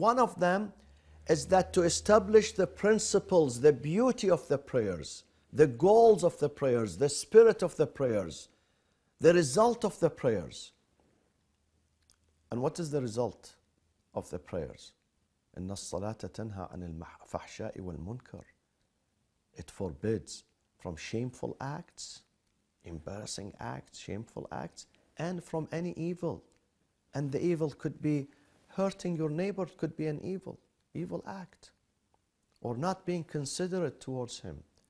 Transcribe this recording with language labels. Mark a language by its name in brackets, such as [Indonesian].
[English] One of them is that to establish the principles, the beauty of the prayers, the goals of the prayers, the spirit of the prayers, the result of the prayers. And what is the result of the prayers? [Arabic] إن الصلاة تنهى عن الفحشاء والمنكر. [English] It forbids from shameful acts, embarrassing acts, shameful acts, and from any evil. And the evil could be hurting your neighbor, could be an evil act, or not being considerate towards him.